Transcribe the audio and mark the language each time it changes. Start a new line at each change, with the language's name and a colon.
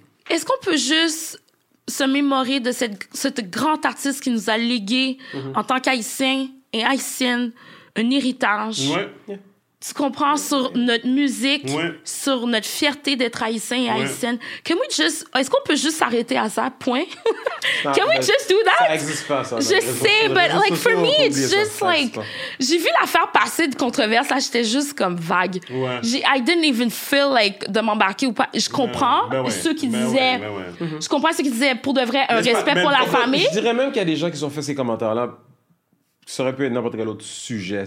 French: Est-ce qu'on peut juste se mémorer de cette grande artiste qui nous a légué en tant qu'haïtien et haïtienne un héritage? Ouais. Yeah. Tu comprends sur notre musique, sur notre fierté d'être haïtien et haïtienne. Est-ce qu'on peut juste s'arrêter à ça, point?
English: Can we just do that?
French: Ça n'existe pas, ça. Je sais,
English: but like for me, it's just ça, like...
French: Pas. J'ai vu l'affaire passer de controverse, là, j'étais juste comme vague. Ouais.
English: I didn't even feel like
French: de m'embarquer ou pas. Je comprends ceux qui disaient... Je comprends ceux qui disaient, pour de vrai, un respect pour la famille. Je dirais même qu'il y a des gens qui ont fait ces commentaires-là. Ça aurait pu être n'importe quel autre sujet.